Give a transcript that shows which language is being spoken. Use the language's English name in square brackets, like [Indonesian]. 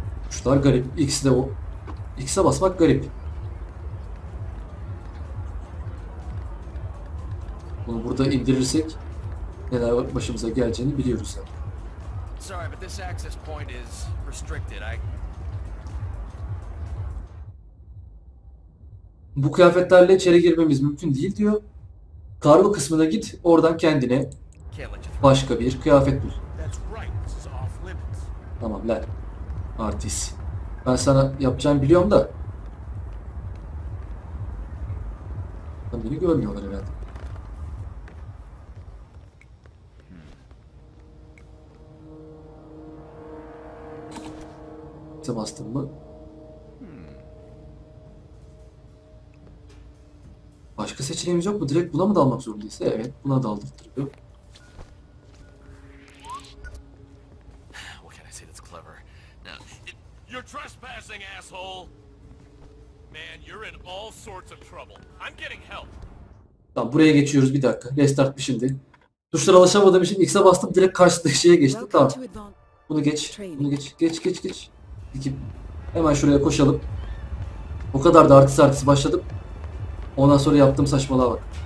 [Turkish] Şunlar garip. X'e de o. X'e basmak garip. Bunu burada indirirsek neler başımıza geleceğini biliyoruz zaten. [English] Sorry, but this access point is restricted. [Turkish] Bu kıyafetlerle içeri girmemiz mümkün değil diyor. Karlı kısmına git, oradan kendine başka bir kıyafet bul. Tamam lan. Artis. Ben sana yapacağımı biliyorum da. Ben beni görmüyorlar herhalde. Bastım mı? Başka seçeneğimiz yok mu? Direkt buna mı dalmak zorundayız? Evet, buna daldırtırıyor. [English] What can I say that's clever? Now, you're trespassing, asshole. Man, you're in all sorts of trouble. I'm getting help. [Turkish] Tamam, buraya geçiyoruz bir dakika. Restart mı şimdi? Tuşlara alışamadım için X'e bastım, direkt karşıdaki şeye geçtim. Tamam. Bunu geç. Bunu geç. Geç. Hemen şuraya koşalım. O kadar da artist başladım. Ondan sonra yaptığım saçmalığa bak.